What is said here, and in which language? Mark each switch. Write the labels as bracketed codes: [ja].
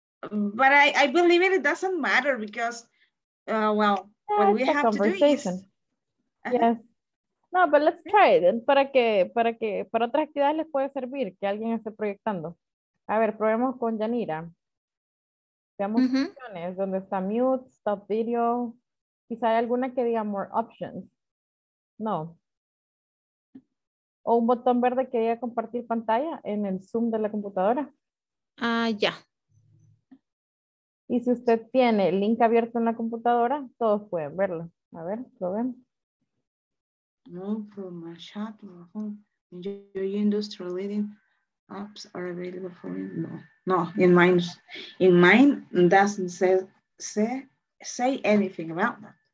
[en] But I believe it doesn't matter because, well, what we have conversation. Yes. No, but let's try it. [es] Para otras actividades les puede servir que alguien esté proyectando. A ver, probemos con Yanira. Veamos opciones donde está [en] mute, stop video. [es] Quizá hay alguna que diga [en] more options. [es] No. O un botón verde que diga compartir pantalla en el Zoom de la computadora. Ah, ya. Yeah. Y si usted tiene el link abierto en la computadora, todos pueden verlo. A ver, lo ven. [en] No, for my chat, your industry leading apps are available for you. No, in mine doesn't say anything about that.